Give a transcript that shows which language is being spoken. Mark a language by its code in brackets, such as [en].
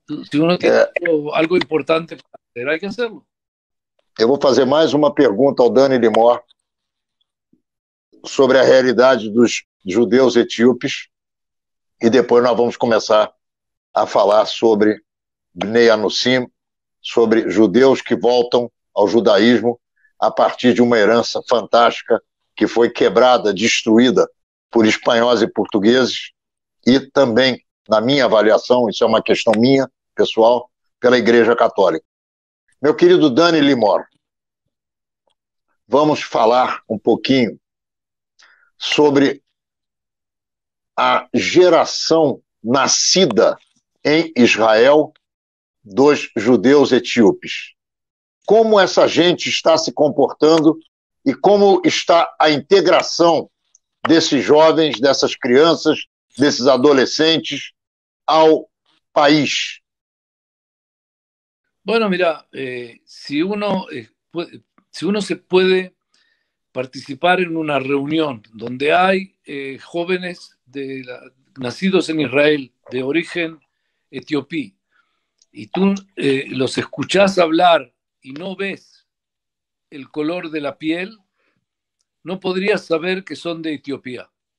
[es] si uno tiene algo importante para hacer, hay que hacerlo. [pt] Eu vou fazer mais uma pergunta ao Dani Limor sobre a realidade dos judeus etíopes e depois nós vamos começar a falar sobre Bnei Anusim, sobre judeus que voltam ao judaísmo a partir de uma herança fantástica que foi quebrada, destruída por espanhóis e portugueses e também, na minha avaliação, isso é uma questão minha, pessoal, pela Igreja Católica. Meu querido Dani Limor, vamos falar um pouquinho sobre a geração nascida em Israel dos judeus etíopes. Como essa gente está se comportando e como está a integração desses jovens, dessas crianças, desses adolescentes ao país? [es] Bueno, mira, se uno se puede participar en una reunión donde hay jóvenes nacidos en Israel de origen etíope, y tú los escuchás hablar y no ves el color de la piel, no podrías saber que son de Etiopía.